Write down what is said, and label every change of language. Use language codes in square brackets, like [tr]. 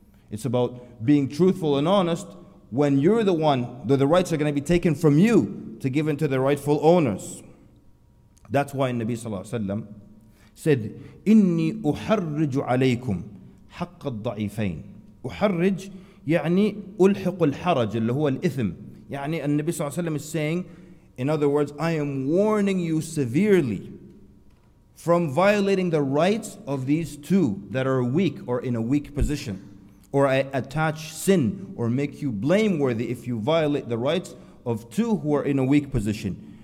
[en] It's about being truthful and honest when you're the one that the rights are going to be taken from you to give into the rightful owners. That's why Nabi Sallallahu Alaihi Wasallam said, [ar] إِنِّي أُحَرِّجُ عَلَيْكُمْ حَقَّ الضَّعِيفَيْنِ. أحرج يعني ألحق الحرج اللي هو الإثم. يعني النبي صلى الله عليه وسلم [en] is saying, in other words, I am warning you severely from violating the rights of these two that are weak or in a weak position. Or I attach sin or make you blameworthy if you violate the rights of two who are in a weak position.